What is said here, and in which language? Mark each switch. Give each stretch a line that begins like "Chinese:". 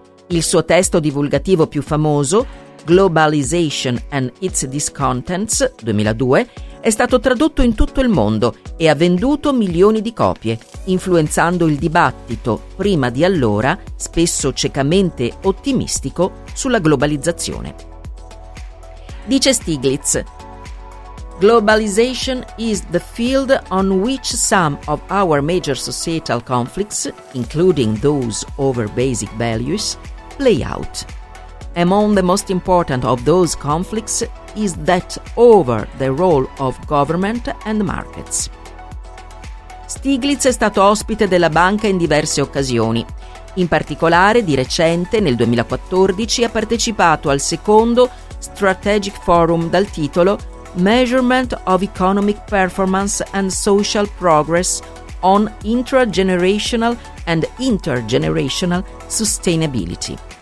Italian: Il suo testo divulgativo più famoso, Globalization and its Discontents, 2002, è stato tradotto in tutto il mondo e ha venduto milioni di copie, influenzando il dibattito, prima di allora, spesso ciecamente ottimistico, sulla globalizzazione. Dice Stiglitz:
English: Globalization is the field on which some of our major societal conflicts, including those over basic values, play out. Among the most important of those conflicts is that over the role of government and markets.
Italian: Stiglitz è stato ospite della banca in diverse occasioni. In particolare, di recente, nel 2014, ha partecipato al secondo Strategic Forum dal titolo Measurement of Economic Performance and Social Progress on Intragenerational and Intergenerational Sustainability.